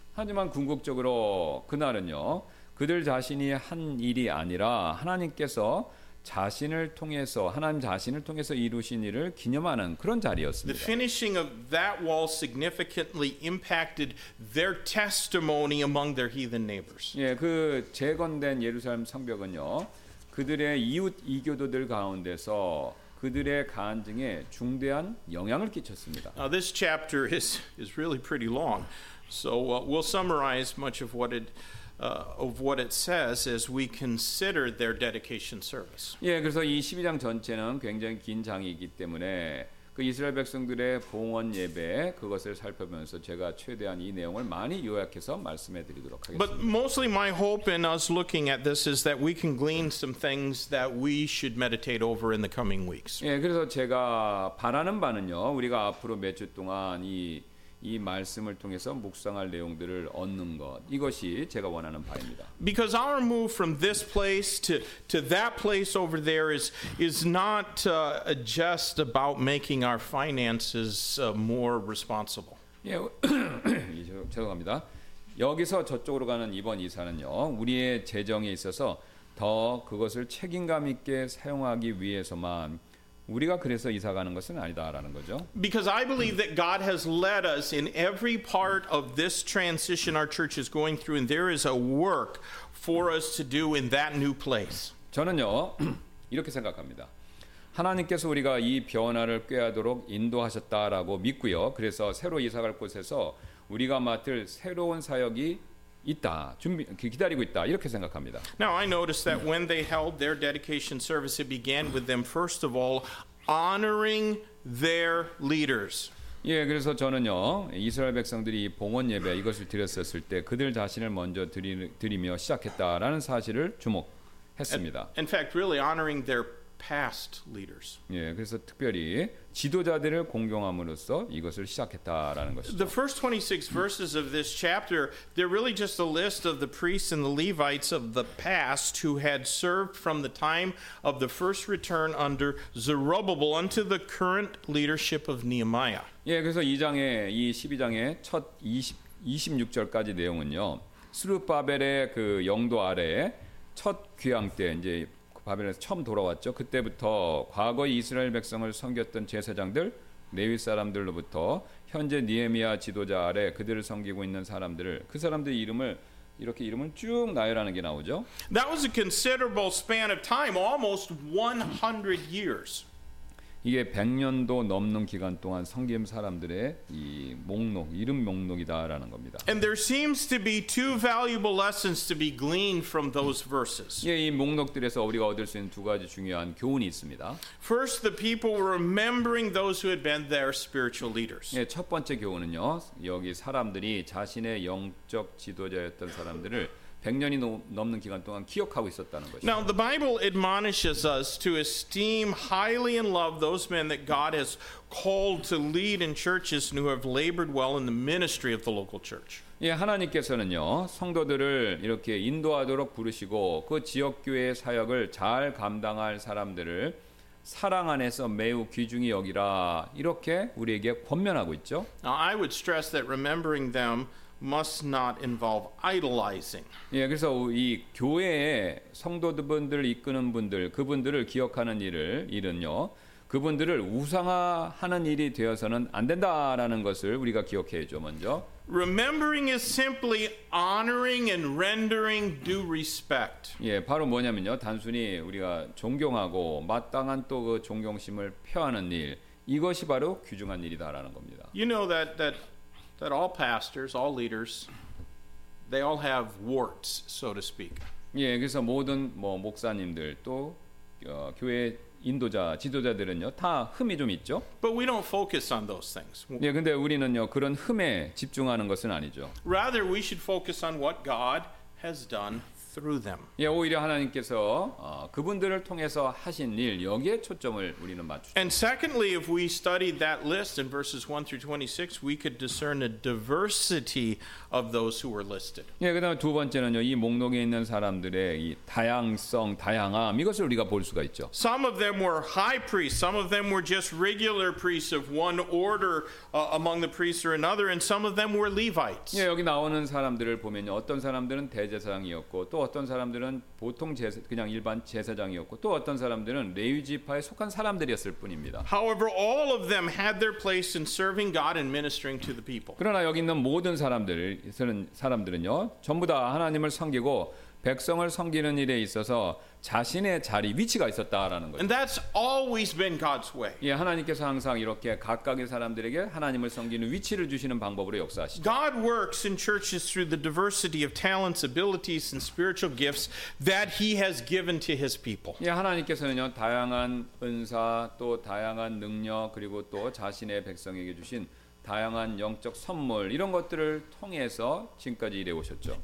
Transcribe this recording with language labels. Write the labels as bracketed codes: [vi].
[ko] 하지만 궁극적으로 그날은요, 그들 자신이 한 일이 아니라 하나님께서 자신을 통해서 하나님 자신을 통해서 이루신 일을 기념하는 그런 자리였습니다. [en] The finishing of that wall significantly impacted their testimony among their heathen neighbors. [ko] 예, 그 재건된 예루살렘 성벽은요. 그들의 이웃 이교도들 가운데서 그들의 간증에 중대한 영향을 끼쳤습니다. [en] Now this chapter is really pretty long. So we'll summarize much of what it says as we consider their dedication service. [ko] 예, 그래서 이 12장 전체는 굉장히 긴 장이기 때문에 그 이스라엘 백성들의 봉헌 예배 그것을 살펴보면서 제가 최대한 이 내용을 많이 요약해서 말씀해 드리도록 하겠습니다. [en] But mostly my hope in us looking at this is that we can glean some things that we should meditate over in the coming weeks. [ko] 예, 그래서 제가 바라는 바는요. 우리가 앞으로 몇 주 동안 이 말씀을 통해서 묵상할 내용들을 얻는 것 이것이 제가 원하는 바입니다. [en] Because our move from this place to that place over there is not just about making our finances more responsible. [ko] 예, 죄송합니다. 여기서 저쪽으로 가는 이번 이사는요, 우리의 재정에 있어서 더 그것을 책임감 있게 사용하기 위해서만. 우리가 그래서 이사 가는 것은 아니다라는 거죠. [en] Because I believe that God has led us in every part of this transition our church is going through, and there is a work for us to do in that new place. [ko] 저는요 이렇게 생각합니다. 하나님께서 우리가 이 변화를 꾀하도록 인도하셨다라고 믿고요. 그래서 새로 이사 갈 곳에서 우리가 맡을 새로운 사역이 있다, 준비, 기다리고 있다 이렇게 생각합니다. [en] Now I noticed that when they held their dedication service, it began with them first of all honoring their leaders. [ko] 예, 그래서 저는요 이스라엘 백성들이 봉헌 예배 이것을 드렸었을 때 그들 자신을 먼저 드리며 시작했다라는 사실을 주목했습니다. [en] In fact, really honoring their past leaders. [ko] 예, 그래서 특별히 지도자들을 공경함으로써 이것을 시작했다라는 것이죠. [en] The first 26 verses of this chapter, they're really just a list of the priests and the Levites of the past who had served from the time of the first return under Zerubbabel unto the current leadership of Nehemiah. [ko] 예, 그래서 2장의 이 12장의 첫 26절까지 내용은요. 스룹바벨의 그 영도 아래 첫 귀향 때 이제 바벨에서 처음 돌아왔죠. 그때부터 과거 이스라엘 백성을 섬겼던 제사장들, 레위 사람들로부터 현재 느헤미야 지도자 아래 그들을 섬기고 있는 사람들을 그 사람들의 이름을 이렇게 이름을 쭉 나열하는 게 나오죠. [en] That was a considerable span of time, almost 100 years. [ko] 이게 100년도 넘는 기간 동안 섬김 사람들의 이 목록, 이름 목록이다라는 겁니다. [en] And there seems to be two valuable lessons to be gleaned from those verses. [ko] 예, 이 목록들에서 우리가 얻을 수 있는 두 가지 중요한 교훈이 있습니다. [en] First, the people were remembering those who had been their spiritual leaders. [ko] 예, 첫 번째 교훈은요. 여기 사람들이 자신의 영적 지도자였던 사람들을 100년이 넘는 기간 동안 기억하고 있었다는 것이죠. [en] Now the Bible admonishes us to esteem highly and love those men that God has called to lead in churches and who have labored well in the ministry of the local church. [ko] 예, 하나님께서는요. 성도들을 이렇게 인도하도록 부르시고 그 지역 교회의 사역을 잘 감당할 사람들을 사랑 안에서 매우 귀중히 여기라. 이렇게 우리에게 권면하고 있죠. [en] Now, I would stress that remembering them must not involve idolizing. [ko] 예, 그래서 이 교회의 성도들분들 이끄는 분들 그분들을 기억하는 일은요. 그분들을 우상화하는 일이 되어서는 안 된다라는 것을 우리가 기억해 줘 먼저. [en] Remembering is simply honoring and rendering due respect. [ko] 예, 바로 뭐냐면요. 단순히 우리가 존경하고 마땅한 또 그 존경심을 표하는 일. 이것이 바로 귀중한 일이다라는 겁니다. [en] You know that all pastors, all leaders, they all have warts, so to speak. [ko] 예, 그래서 모든 뭐 목사님들 또 교회 인도자 지도자들은요 다 흠이 좀 있죠. [en] But we don't focus on those things. [ko] 예, 근데 우리는요 그런 흠에 집중하는 것은 아니죠. [en] Rather, we should focus on what God has done through them. [ko] 예, 오히려 하나님께서 그분들을 통해서 하신 일 여기에 초점을 우리는 맞추죠. [en] And secondly, if we studied that list in verses 1 through 26, we could discern a diversity of those who were listed. [ko] 예, 그다음 두 번째는요 이 목록에 있는 사람들의 이 다양성, 다양함 이것을 우리가 볼 수가 있죠. [en] Some of them were high priests. Some of them were just regular priests of one order among the priests or another, and some of them were Levites. [ko] 예, 여기 나오는 사람들을 보면요 어떤 사람들은 대제사장이었고 또 어떤 사람들은 보통 제사, 그냥 일반 제사장이었고 또 어떤 사람들은 레위 지파에 속한 사람들이었을 뿐입니다. [en] However, all of them had their place in serving God and ministering to the people. [ko] 그러나 여기 있는 모든 사람들은요, 전부 다 하나님을 섬기고 백성을 섬기는 일에 있어서 자신의 자리 위치가 있었다라는 거죠. [en] And that's always been God's way. [ko] 예, 하나님께서 항상 이렇게 각각의 사람들에게 하나님을 섬기는 위치를 주시는 방법으로 역사하시죠. [en] God works in churches through the diversity of talents, abilities, and spiritual gifts that He has given to His people. [ko] 예, 하나님께서는요 다양한 은사 또 다양한 능력 그리고 또 자신의 백성에게 주신 다양한 영적 선물 이런 것들을 통해서 지금까지 일해 오셨죠.